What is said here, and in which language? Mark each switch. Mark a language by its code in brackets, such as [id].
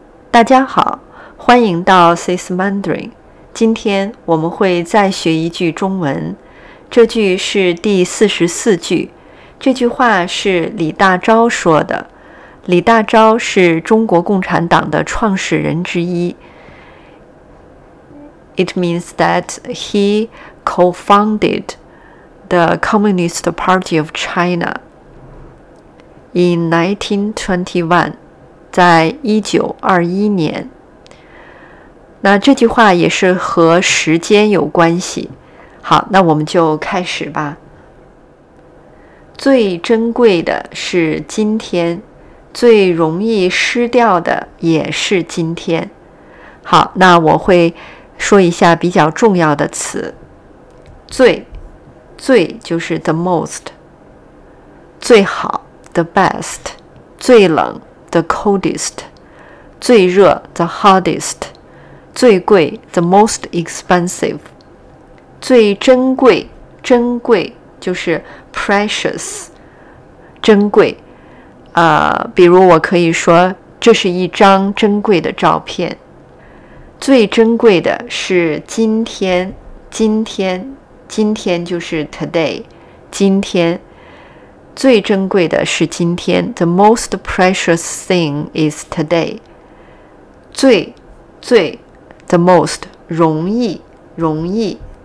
[zh] 大家好，欢迎到 SyS Mandarin。今天我们会再学一句中文，这句是第44句。这句话是李大钊说的。李大钊是中国共产党的创始人之一。 [en] It means that he co-founded the Communist Party of China in 1921. [zh] 在1921年，那这句话也是和时间有关系。好，那我们就开始吧。最珍贵的是今天，最容易失掉的也是今天。好，那我会说一下比较重要的词。最就是 [en] the most， [zh] 最好 [en] the best， [zh] 最冷 [en] The coldest， [zh] 最热 [en] The hardest， [zh] 最贵 [en] The most expensive， [zh] 最珍贵，珍贵就是 precious， 珍贵。比如我可以说，这是一张珍贵的照片。最珍贵的是今天，今天，今天就是 today， 今天。最珍贵的是今天 [en] The most precious thing is today 最 The most 容易